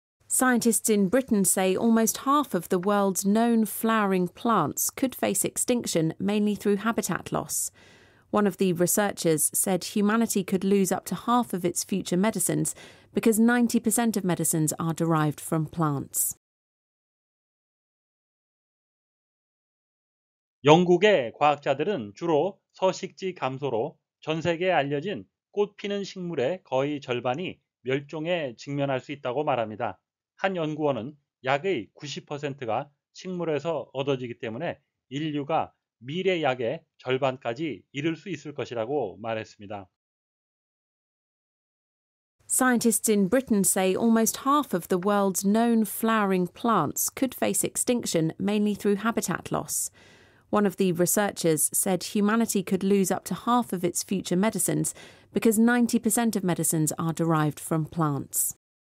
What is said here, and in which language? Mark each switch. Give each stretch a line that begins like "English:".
English: Scientists in Britain say almost half of the world's known flowering plants could face extinction mainly through habitat loss. One of the researchers said humanity could lose up to half of its future medicines because 90% of medicines are derived from plants.
Korean: 영국의 과학자들은 주로 서식지 감소로 전 세계에 알려진 꽃 피는 식물의 거의 절반이 멸종에 직면할 수 있다고 말합니다. 한 연구원은 약의 90%가 식물에서 얻어지기 때문에 인류가 미래 약의 절반까지 이룰 수 있을 것이라고 말했습니다.
English: Scientists in Britain say almost half of the world's known flowering plants could face extinction mainly through habitat loss. One of the researchers said humanity could lose up to half of its future medicines because 90% of medicines are derived from plants.